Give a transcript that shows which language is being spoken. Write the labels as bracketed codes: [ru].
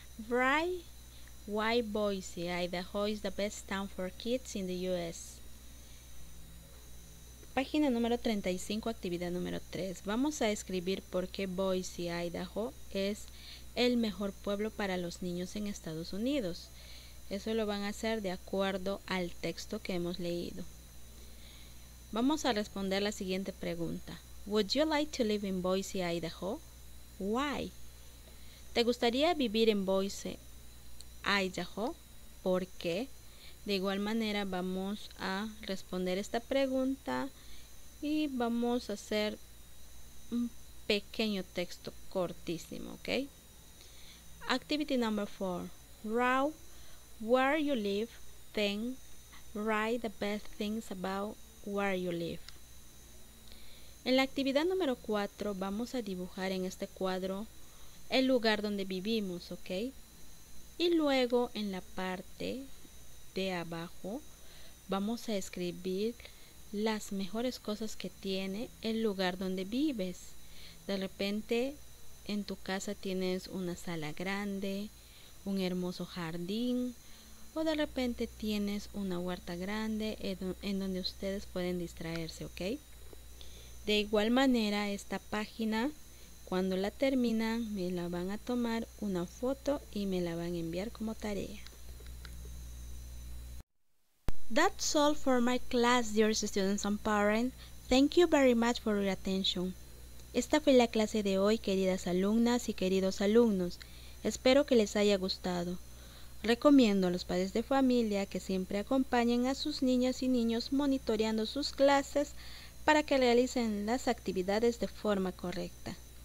[en] Write why Boise, Idaho is the best town for kids in the U.S. [es] Página número 35, actividad número 3. Vamos a escribir por qué Boise, Idaho es el mejor pueblo para los niños en Estados Unidos. Eso lo van a hacer de acuerdo al texto que hemos leído. Vamos a responder la siguiente pregunta. [en] Would you like to live in Boise, Idaho? [es] Why? ¿Te gustaría vivir en Boise, Idaho? ¿Por qué? De igual manera, vamos a responder esta pregunta y vamos a hacer un pequeño texto cortísimo, ¿ok? [en] Activity number four. Row where you live, then write the best things about where you live. [es] En la actividad número 4 vamos a dibujar en este cuadro el lugar donde vivimos, ¿ok? Y luego en la parte de abajo vamos a escribir las mejores cosas que tiene el lugar donde vives. De repente en tu casa tienes una sala grande, un hermoso jardín, o de repente tienes una huerta grande en donde ustedes pueden distraerse, ¿ok? De igual manera, esta página, cuando la terminan, me la van a tomar una foto y me la van a enviar como tarea. [en] That's all for my class, dear students and parents. Thank you very much for your attention. [es] Esta fue la clase de hoy, queridas alumnas y queridos alumnos. Espero que les haya gustado. Recomiendo a los padres de familia que siempre acompañen a sus niñas y niños monitoreando sus clases para que realicen las actividades de forma correcta.